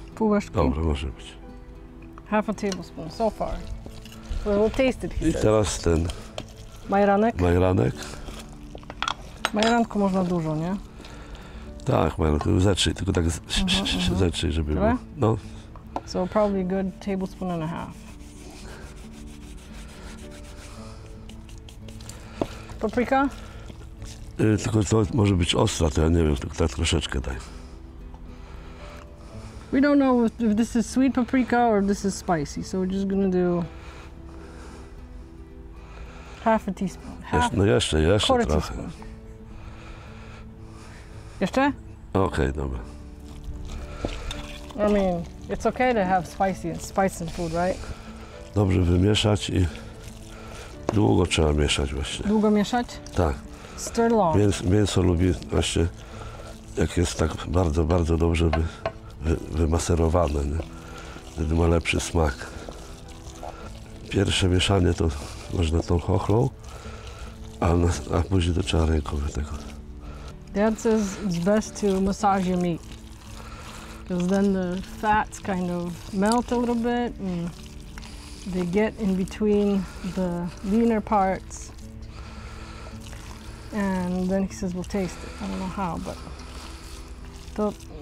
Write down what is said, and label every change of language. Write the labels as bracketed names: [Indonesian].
[Polish] Pół łyżki. Dobra, może być. [English] Half a tablespoon so far. We will taste it, he I says. [Polish] Teraz ten... Majeranek? Majeranek. Majeranku można dużo, nie? Tak, majeranku, zetrzyj, tylko tak zetrzyj, żeby było. No. [English] So probably a good tablespoon and a half. Paprika? [Polish] Tylko to może być ostra, to ja nie wiem, tylko tak troszeczkę daj. [English] We don't know if this is sweet paprika or if this is spicy, so we're just gonna do half a teaspoon. [Polish] Jeszcze trochę. Jeszcze? Okej, dobra. [English] I mean, it's okay to have spice in food, right? [Polish] Dobrze wymieszać i długo trzeba mieszać właśnie. Długo mieszać? Tak. [English] Stir long. [Polish] Mięso lubi właśnie, jak jest tak bardzo, bardzo dobrze wymaserowane, nie? Wtedy ma lepszy smak. Pierwsze mieszanie to można tą chochlą, a później to trzeba ręką tego. [English] Dad says it's best to massage your meat, because then the fats kind of melt a little bit and they get in between the leaner parts. And then he says, we'll taste it. I don't know how, but...